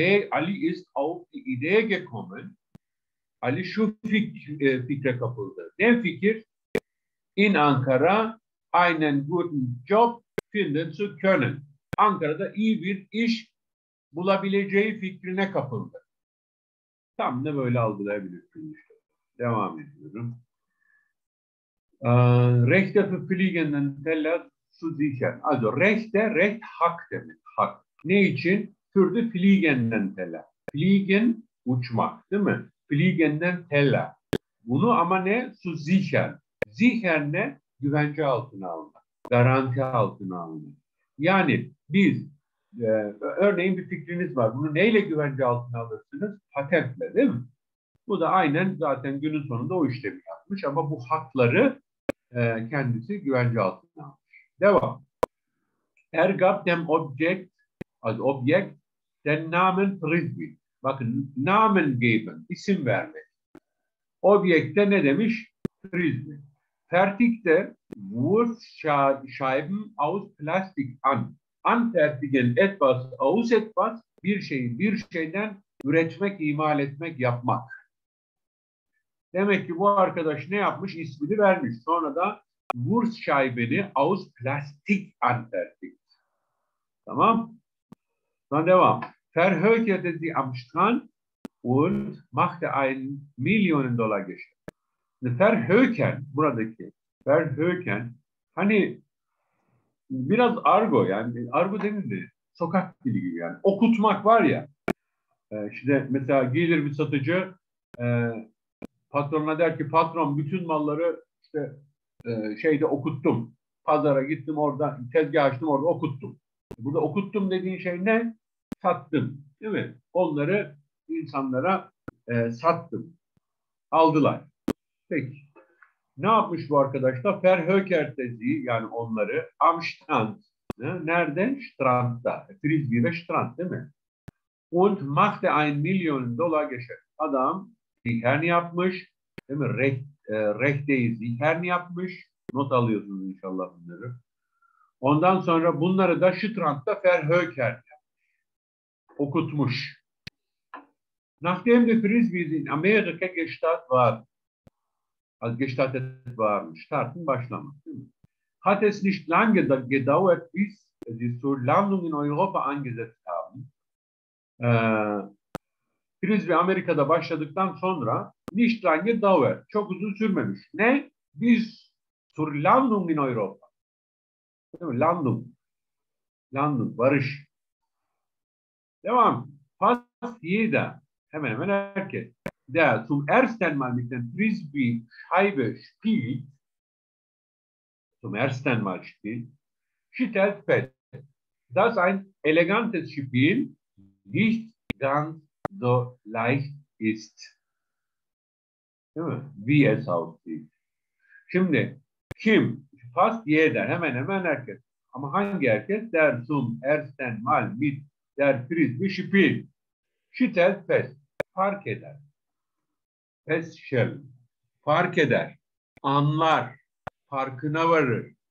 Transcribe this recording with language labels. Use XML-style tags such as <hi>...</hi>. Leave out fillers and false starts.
<de>Ali ist auf die Idee gekommen.</de> <tr>Ali şu fikre kapıldı. Ne fikir?</tr> <de>In Ankara einen guten Job finden zu können.</de> <tr>Ankara'da iyi bir iş bulabileceği fikrine kapıldı. Tam da böyle algılayabilirsiniz. İşte. Devam ediyorum.</tr> <de>Rechte für fliegenden Teller zu sichern. Also recht</de> <tr>hak demek. Hak. Ne için?</tr> <de>Für die fliegenden Teller.</de> <tr>Fliegen uçmak değil mi?</tr> <de>Fliegenden Teller.</de> <tr>Bunu ama ne?</tr> <de>Zu sichern. Sichern</de> <tr>ne? Güvence altına almak. Garanti altına almak. Yani biz örneğin bir fikriniz var. Bunu neyle güvence altına alırsınız? Patentle değil mi? Bu da aynen zaten günün sonunda o işlemi yapmış ama bu hakları kendisi güvence altına almış. Devam.</tr> <de>Er gab dem Objekt, also Objekt, den Namen Frisbee.</de> <tr>Bakın Namen geben, isim vermek. Objekte ne demiş? Frisbee.</tr> <de>Fertigte Wurfscheiben aus Plastik an. Anfertigen etwas aus etwas,</de> <tr>bir şeyden üretmek, imal etmek, yapmak. Demek ki bu arkadaş ne yapmış? İsmini vermiş. Sonra da Wurfscheiben aus Plastik anfertigt. Tamam. Sonra devam.</tr> <de>Verhökerte sie am Strand und machte ein Millionen Dollar Geschäft.</de> <tr>Verhöken, buradaki Verhöken, hani biraz argo yani argo denildi sokak dili gibi yani okutmak var ya işte mesela gelir bir satıcı patronuna der ki patron bütün malları işte şeyde okuttum pazara gittim orada tezgah açtım orada okuttum. Burada okuttum dediğin şey ne? Sattım değil mi? Onları insanlara sattım aldılar. Peki. Ne yapmış bu arkadaşlar? Verhökert dediği yani onları am Strand. Nereden? Strand'da. Frisbee ve Strand değil mi?</tr> <de>Und machte ein Million Dollar Geschäft.</de> <tr>Adam zihern yapmış. Değil mi? Rechte'yi zihern yapmış. Not alıyorsunuz inşallah bunları. Ondan sonra bunları da Strand'da verhökert yapmış. Okutmuş.</tr> <de>Nachdem der Frisbee in Amerika gestartet war, als gestartet waren, starten,</de> <tr>başlamak.</tr> <de>Hat es nicht lange gedauert, bis sie zur Landung in Europa angesetzt haben.</de> <tr>Frisbee Amerika'da başladıktan sonra</tr> <de>nicht lange dauert,</de> <tr>çok uzun sürmemiş. Ne?</tr> <de>Bis zur Landung in Europa.</de> <tr>Değil mi?</tr> <de>Landung. Landung,</de> <tr>varış. Devam.</tr> <de>Fast jeder,</de> <tr>hemen hemen herkes,</tr> <de>der zum ersten Mal mit dem Frisbee Scheibe spielt, zum ersten Mal spielt, stellt fest, dass ein elegantes Spiel nicht ganz so leicht ist.</de> <tr>Değil mi?</tr> <de>Wie es aussieht.</de> <tr>Şimdi, kim?</tr> <de>Fast jeder,</de> <tr>hemen hemen herkes. Ama hangi herkes?</tr> <de>Der zum ersten Mal mit der Frisbee spielt. Stellt fest,</de> <tr>fark eder. Feststellen, fark eder, anlar, farkına varır.</tr>